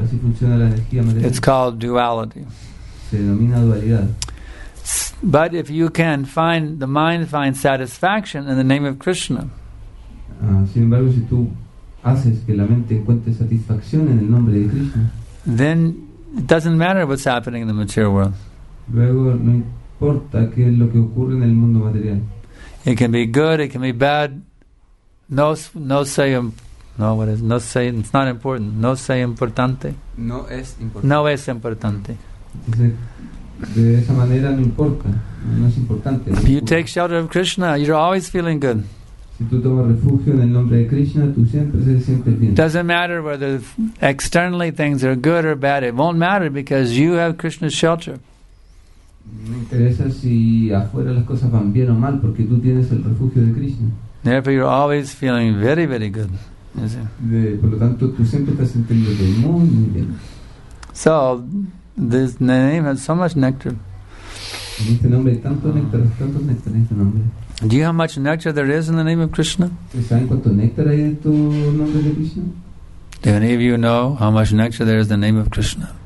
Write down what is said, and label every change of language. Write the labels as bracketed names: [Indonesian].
[Spanish] Así funciona la energía material. [English] It's called duality. [Spanish] Se denomina dualidad. [English] But if you can find the mind finds satisfaction in the name of Krishna. [Spanish] Sin embargo, si tú haces que la mente encuentre satisfacción en el nombre de Krishna, [English] then it doesn't matter what's happening in the material world. [Spanish] Luego no importa qué es lo que ocurre en el mundo material. [English] It can be good, it can be bad. It's not important. [Spanish] No sei importante. No es importante. No es importante. De esa manera no importa. No es importante. [English] If you take shelter of Krishna, you're always feeling good. [Spanish] Si tú tomas refugio en el nombre de Krishna, tú siempre se sientes bien. [English] Doesn't matter whether externally things are good or bad. It won't matter because you have Krishna's shelter. [Spanish] No interesa si afuera las cosas van bien o mal porque tú tienes el refugio de Krishna. [English] Therefore, you're always feeling very, very good. [Spanish] Por lo tanto, tú siempre estás sintiendo muy, muy bien. [English] So, this name has so much nectar. [Spanish] En este nombre hay tanto néctar en este nombre. [English] Do you know how much nectar there is in the name of Krishna? [Spanish] ¿Saben cuánto néctar hay en tu nombre de Krishna? [English] Do any of you know how much nectar there is in the name of Krishna?